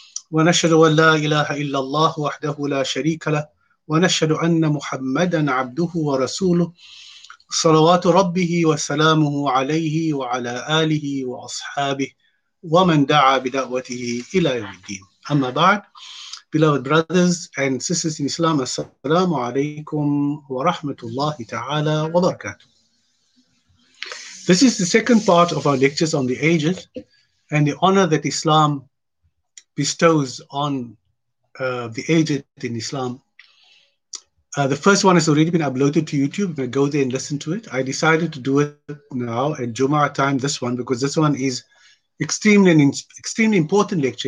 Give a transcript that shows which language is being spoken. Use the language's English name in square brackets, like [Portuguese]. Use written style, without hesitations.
[Arabic] wa nashhadu an la ilaha illa Allah wahdahu la sharika lahu ونشهد أن محمدًا عبده ورسوله صلوات ربه وسلامه عليه وعلى آله وأصحابه ومن دعا بدعوته إلى يوم الدين. أما بعد, [English] beloved brothers and sisters in Islam, [Arabic] السلام عليكم ورحمة الله تعالى وبركاته. [English] This is the second part of our lectures on the ages and the honor that Islam bestows on the aged in Islam. The first one has already been uploaded to YouTube. You can go there and listen to it. I decided to do it now at Jumu'ah time, this one, because this one is extremely important lecture.